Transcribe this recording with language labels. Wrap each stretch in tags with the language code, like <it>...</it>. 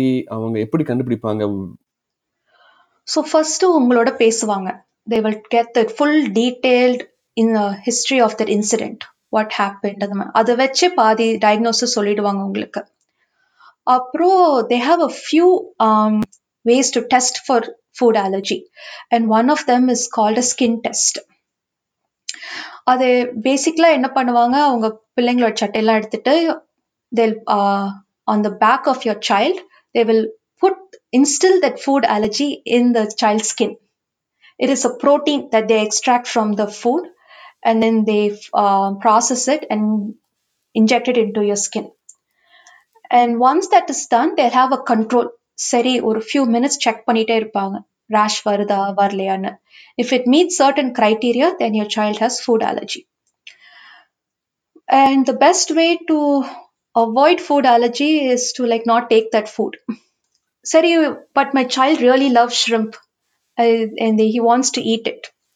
<en>So, first, they will get the full detailed in the history of that incident, what happened. That's why the diagnosis is solid.</en> <ta>அப்புறம்</ta> <en>they have a few ways to test for food allergy and one of them is called a skin test</en> <ta>அது பேசிக்கலாக என்ன பண்ணுவாங்க அவங்க பிள்ளைங்களோட சட்டையெல்லாம் எடுத்துகிட்டு</ta> <en>They on the back of your child they will put instil that food allergy in the child skin it is a protein that they extract from the food and then they process it and injected into your skin And once that is done, they'll have a control.</en> <ta>Seri,</ta> <en>or a few minutes check</en> <ta>panite irupanga. Rash varudha, varlayana.</ta> <en>If it meets certain criteria, then your child has food allergy. And the best way to avoid food allergy is to like not take that food.</en> <ta>Seri,</ta> <en>but my child really loves shrimp and he wants to eat it.</en>